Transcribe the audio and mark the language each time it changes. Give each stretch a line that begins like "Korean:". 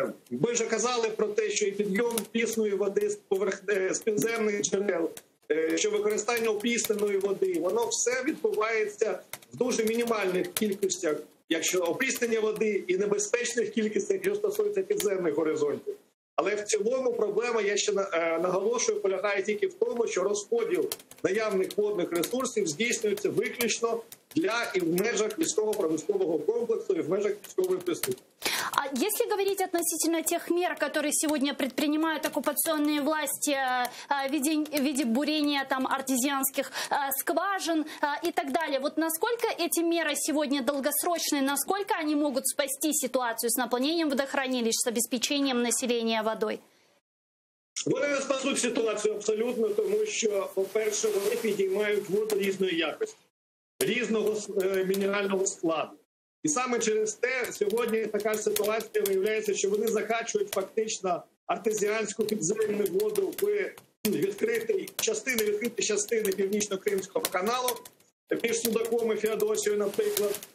Ukrainian: Ми вже казали про те, що і підйом пісної води з підземних джерел, що використання опісненої води, воно все відбувається в дуже мінімальних кількостях, якщо опіснення води і небезпечних кількостях, що стосується підземних горизонтів. Але в цілому проблема, я ще наголошую, полягає тільки в тому, що розподіл наявних водних ресурсів здійснюється виключно для і в межах військово-промислового комплексу, і в межах військової присутності.
Russian: А если говорить относительно тех мер, которые сегодня предпринимают оккупационные власти в виде бурения там артезианских скважин и так далее, вот насколько эти меры сегодня долгосрочные, насколько они могут спасти ситуацию с наполнением водохранилищ, с обеспечением населения водой?
Ukrainian: Вони не спасуть ситуацію абсолютно, тому що, по-перше, вони підіймають воду різної якості, різного мінерального складу. І саме через те сьогодні така ситуація виявляється, що вони закачують фактично артезіанську підземну воду в відкриті частини Північно-Кримського каналу між Судаком і Феодосією, наприклад.